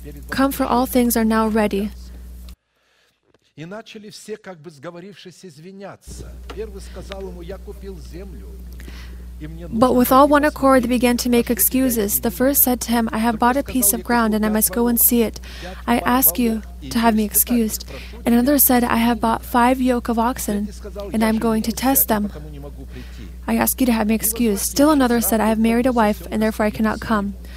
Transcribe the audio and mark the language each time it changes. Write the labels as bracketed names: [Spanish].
[English] Come, for all things are now ready. [Russian] Начали все, как бы сговорившись, извиняться. Первый сказал ему, я купил землю. [English] But with all one accord, they began to make excuses. The first said to him, I have bought a piece of ground, and I must go and see it. I ask you to have me excused. And another said, I have bought 5 yoke of oxen, and I am going to test them. I ask you to have me excused. Still another said, I have married a wife, and therefore I cannot come.